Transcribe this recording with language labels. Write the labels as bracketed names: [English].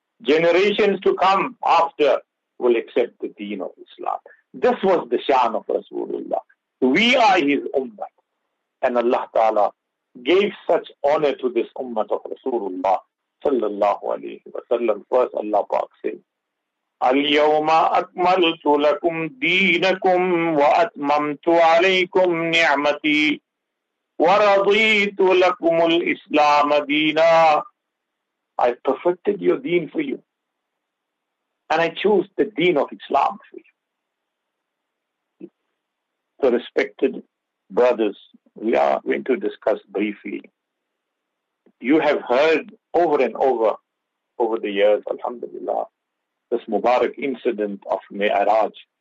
[English] Generations to come after will accept the deen of Islam. This was the shan of Rasulullah. We are his ummah. And Allah Ta'ala gave such honor to this ummah of Rasulullah sallallahu alayhi wa sallam. First Allah Pak said, [Arabic] اليوم أكملت لكم دينكم وأتممت عليكم نعمتي ورضيت لكم الإسلام دينا. [English] I perfected your deen for you. And I chose the deen of Islam for you. So respected brothers, we are going to discuss briefly. You have heard over and over the years, alhamdulillah, this Mubarak incident of Mi'raj.